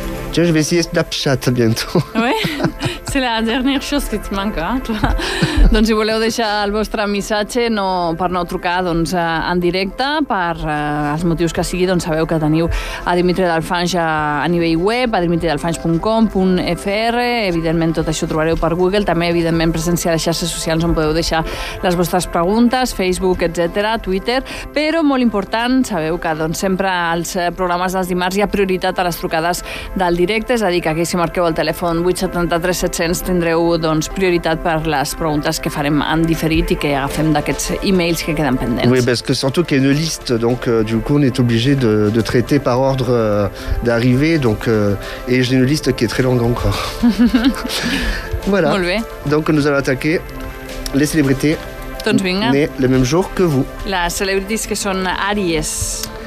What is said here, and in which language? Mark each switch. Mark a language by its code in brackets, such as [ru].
[fr] Tiens, je vais essayer Snapchat bientôt. Oui. La dernière chose que [ca] te manca, clar. Doncs si voleu deixar el vostre missatge per no trucar doncs, en directe, per els motius que sigui, doncs sabeu que teniu a Dimitri Dalfanys a nivell web, a dimitridalfanys.com.fr, evidentment tot això trobareu per Google, també evidentment presència a les xarxes socials on podeu deixar les vostres preguntes, Facebook, etc, Twitter, però molt important, sabeu que doncs, sempre als programes dels dimarts hi ha prioritat a les trucades del directe, és a dir, que aquí si marqueu el telèfon 873-7 tindreu doncs, prioritat per les preguntes que farem en diferit i que agafem d'aquests emails que queden pendents. [fr] Oui, parce que surtout qu'il y a une liste, donc du coup on est obligé de traiter par ordre d'arrivée, donc et j'ai une liste qui est très longue encore. Voilà. [ca] Molt bé. [fr] Donc nous allons attaquer les célébrités. [ca] Doncs vinga. [fr] Né le même jour que vous. Les célébrités [ca] que són [fr] Aries.